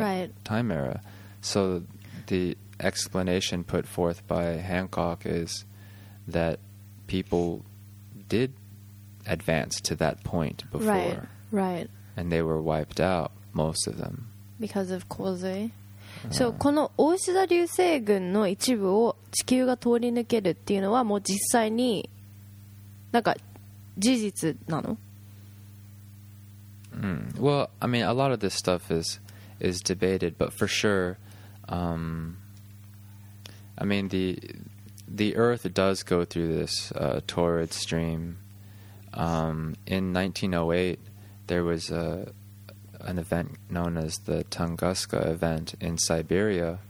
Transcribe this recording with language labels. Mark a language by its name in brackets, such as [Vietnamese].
[English] right. time era. So the explanation put forth by Hancock is that people did advanced to that point before. Right, right. And they were wiped out, most of them. Because of kozui. [Japanese] So, この牡牛座流星群の一部を地球が通り抜けるっていうのはもう実際になんか事実なの? [English] Well, I mean, a lot of this stuff is debated, but for sure, I mean, the Earth does go through this torrid stream. In 1908, there was an event known as the Tunguska event in Siberia,